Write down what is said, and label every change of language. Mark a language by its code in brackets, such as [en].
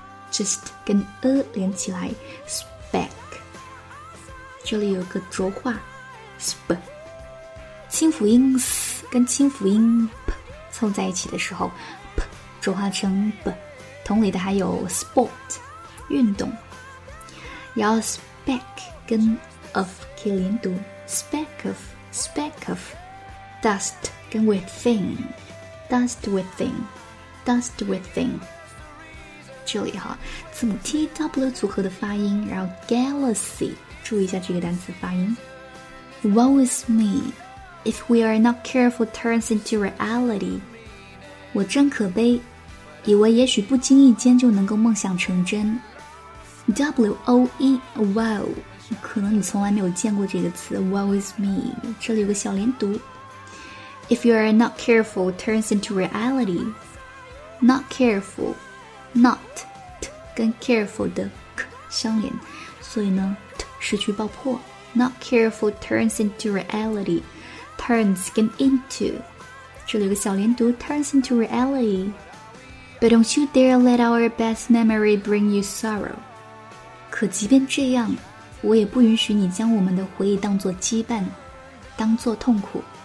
[zh] Just 跟 a 连起来 speck 这里有个浊化 sp 清辅音 s 跟清辅音 p 凑在一起的时候 p 浊化成 b 同理的还有 sport 运动然后 speck 跟 of 可以连读 [en] speck of dust [zh] 跟 within [en] dust within dust within [zh] 这里哈，字母 T W 组合的发音，然后 galaxy， 注意一下这个单词发音。 [en] Woe is me, if we are not careful, turns into reality。 [zh] 我真可悲，以为也许不经意间就能够梦想成真。 W O E Woe， 可能你从来没有见过这个词。 [en] Woe is me， [zh] 这里有个小连读。 [en] If you are not careful, turns into reality. Not careful. [zh] Not t 跟 careful 的 k 相连，所以呢 t 失去爆破。 [en] Not careful turns into reality. Turns 跟 into， [zh] 这里有个小连读 [en] turns into reality. But don't you dare let our best memory bring you sorrow. [zh] 可即便这样，我也不允许你将我们的回忆当作羁绊，当作痛苦。